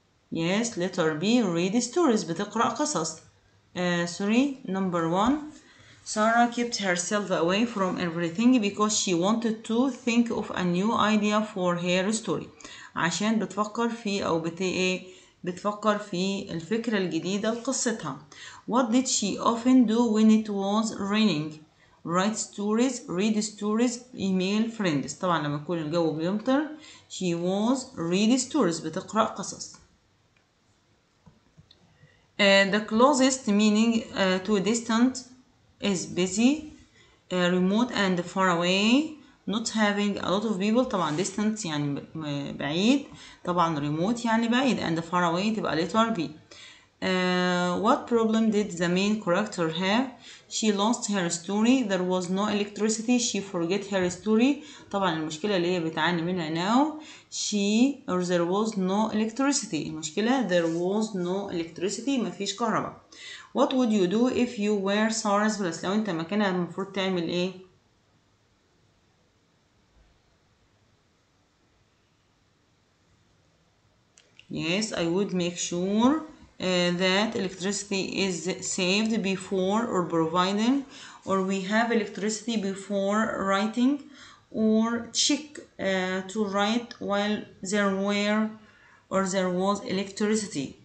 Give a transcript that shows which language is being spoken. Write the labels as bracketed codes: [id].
[en] Yes, letter B, read stories, [ar] بتقرأ قصص. [en] Sorry, number one, Sarah kept herself away from everything because she wanted to think of a new idea for her story. [ar] عشان بتفكر في أو بتأي بتفكر في الفكرة الجديدة لقصتها. [en] What did she often do when it was raining? Write stories, read stories, email friends. [ar] طبعا لما يكون الجو بيمطر, [en] she was read stories, [ar] بتقرأ قصص. [en] The closest meaning to distant is busy, remote and far away, not having a lot of people. [ar] طبعا distant يعني بعيد, طبعا remote يعني بعيد, [en] and far away [ar] تبقى [en] letter B. What problem did the main character have? She lost her story. There was no electricity. She forget her story. [ar] طبعا المشكلة اللي هي بتعاني منها now. [en] There was no electricity. [ar] المشكلة [en] there was no electricity. [ar] ما فيش كهرباء. [en] What would you do if you were Sarah's place? [ar] لو انت مكانها المفروض تعمل ايه؟ [en] Yes, I would make sure that electricity is saved before or providing, or we have electricity before writing, or check to write while there were or there was electricity.